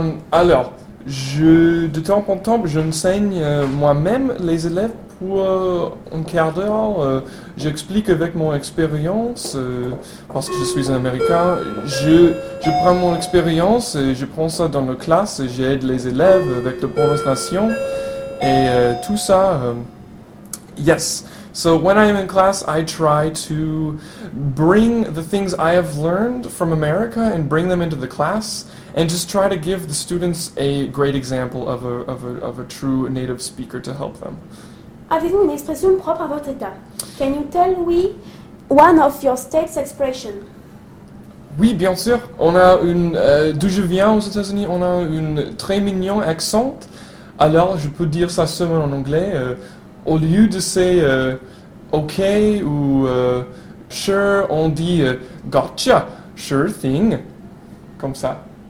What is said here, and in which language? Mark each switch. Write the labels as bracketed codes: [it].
[fr] Alors, de temps en temps, j'enseigne moi-même les élèves pour un quart d'heure. J'explique avec mon expérience, parce que je suis un Américain. Je prends mon expérience et je prends ça dans la classe et j'aide les élèves avec la prononciation et tout ça. [en] Yes. So when I'm in class, I try to bring the things I have learned from America and bring them into the class and just try to give the students a great example of a true native speaker to help them. [fr] Avez-vous une expression propre à votre état? [en] Can you tell me one of your state's expression? [fr] Oui, bien sûr. On a d'où je viens aux États-Unis, on a une très mignon accent. Alors, je peux dire ça seulement en anglais. Au lieu de [en] say OK [fr] ou sure, on dit gotcha, [en] sure thing, [fr] comme ça.